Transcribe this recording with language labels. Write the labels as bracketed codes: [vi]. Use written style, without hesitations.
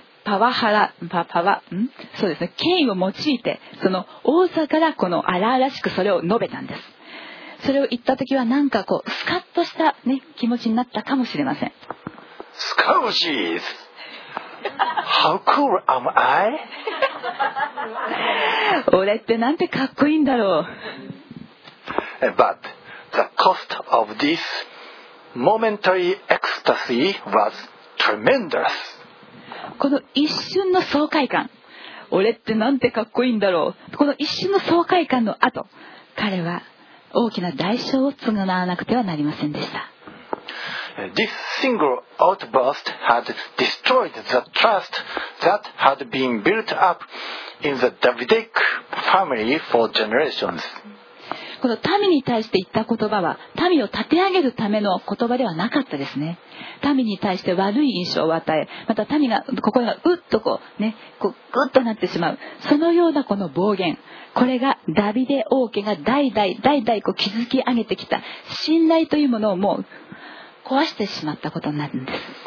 [ja] パワハラ、パワ、ん？そうですね。権威を用いて、その王座からこの荒々しくそれを述べたんです。それを言ったときは、なんかこう、スカッとした、ね、気持ちになったかもしれません。 [en] スカウジーズ。How cool am I? [ja] 俺ってなんてかっこいいんだろう。 [en] But the cost of this momentary ecstasy was tremendous. [ja] この一瞬の爽快感、俺ってなんてかっこいいんだろう、この一瞬の爽快感の後、彼は大きな代償を償わなくてはなりませんでした。 [en] This single outburst had destroyed the trust that had been built up in the Davidic family for generations. [ja] この民に対して言った言葉は、民を立て上げるための言葉ではなかったですね。民に対して悪い印象を与え、また民が心がうっとこうね、こうぐっとなってしまう、そのようなこの暴言、これがダビデ王家が代々こう築き上げてきた信頼というものをもう壊してしまったことになるんです。